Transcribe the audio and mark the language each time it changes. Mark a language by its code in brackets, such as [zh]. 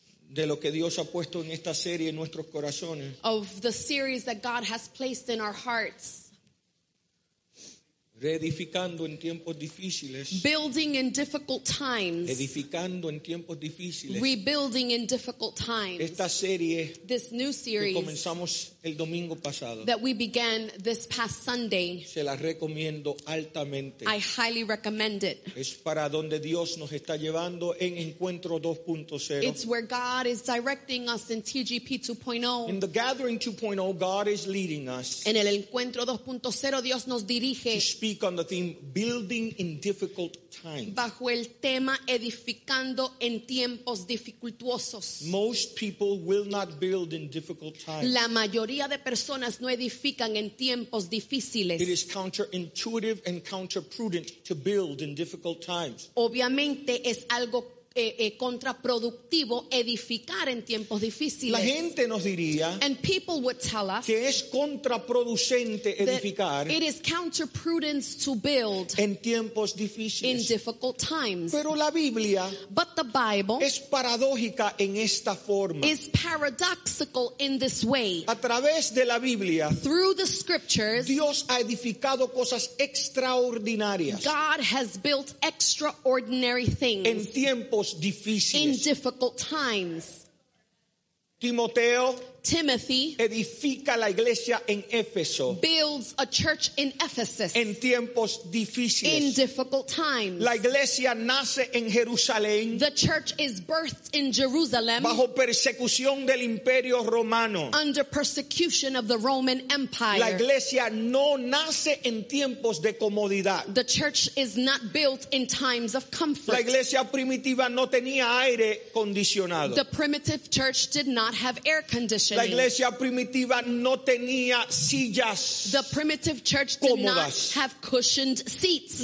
[es] De lo que Dios ha puesto en esta serie en nuestros corazones. [en] Of the series that God has placed in our hearts. [es] Reedificando en tiempos difíciles. [en] Building in difficult times. [es] Edificando en tiempos difíciles. [en] Rebuilding in difficult times. [es] Esta serie. [en] This new series. [es] Que comenzamos el domingo pasado. [en] That we began this past Sunday. [es] Se la recomiendo altamente. [en] I highly recommend it. [es] Es para donde Dios nos está llevando en Encuentro 2.0. [en] It's where God is directing us in TGP 2.0. In the Gathering 2.0, God is leading us. [es] En el Encuentro 2.0, Dios nos dirige. [en] Speak on the theme building in difficult times. [es] Bajo el tema edificando en tiempos dificultuosos. [en] Most people will not build in difficult times. [es] La mayoría de personas no edifican en tiempos difíciles. [en] It is counterintuitive and counterprudent to build in difficult times. [es] Obviamente es algo contraproductivo edificar en tiempos difíciles. La gente nos diría, [en] and people would tell us, [es] que es contraproducente edificar, [en] it is counterprudence to build [es] en tiempos difíciles, [en] in difficult times. [es] Pero la Biblia, [en] but the Bible, [es] es paradójica en esta forma, [en] is paradoxical in this way. [es] A través de la Biblia, [en] through the scriptures, [es] Dios ha edificado cosas extraordinarias, [en] God has built extraordinary things, [es] en tiempos difíciles. [en] In difficult times. [es] Timoteo, [en] Timothy, [es] edifica la iglesia en Éfeso, [en] builds a church in Ephesus, [es] en tiempos difíciles, [en] in difficult times. [es] La iglesia nace en Jerusalén, [en] the church is birthed in Jerusalem, [es] bajo persecución del Imperio Romano, [en] under persecution of the Roman Empire. [es] La iglesia no nace en tiempos de comodidad, [en] the church is not built in times of comfort. [es] La iglesia primitiva no tenía aire acondicionado, [en] the primitive church did not have air conditioning. [es] La iglesia primitiva no tenía sillas. [en] The primitive church did [es] cómodas. [en] Not have cushioned seats.